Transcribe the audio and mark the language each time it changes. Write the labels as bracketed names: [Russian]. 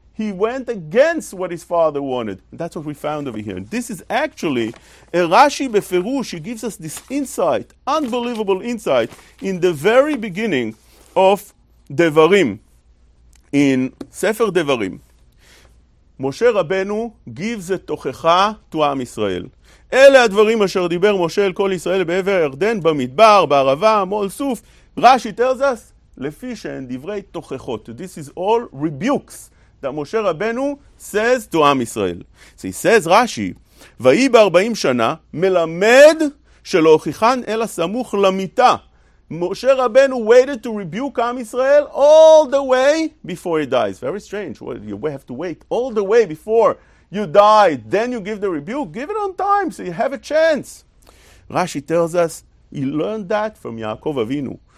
[English] He went against what his father wanted. That's what we found over here. And this is actually a Rashi Beferush. He gives us this insight, unbelievable insight, in the very beginning of Devarim, in Sefer Devarim. Moshe Rabbeinu gives a tochecha to Am Yisrael. [Hebrew] אלה הדברים אשר דיבר משה אל כל ישראל בעבר הירדן, במדבר, בערבה, מול סוף. רשי [English] tells us, [Hebrew] לפי שהן דברי תוכחות. [English] This is all rebukes that משה רבנו says to עם ישראל. So he says, [Hebrew] רשי, ואי ב-40 שנה מלמד שלא הוכיחן אלא סמוך למיטה. [English] משה רבנו waited to rebuke עם ישראל all the way before he dies. Very strange. Well, you have to wait all the way before you die, then you give the rebuke. Give it on time, so you have a chance. Rashi tells us, he learned that from Yaakov Avinu.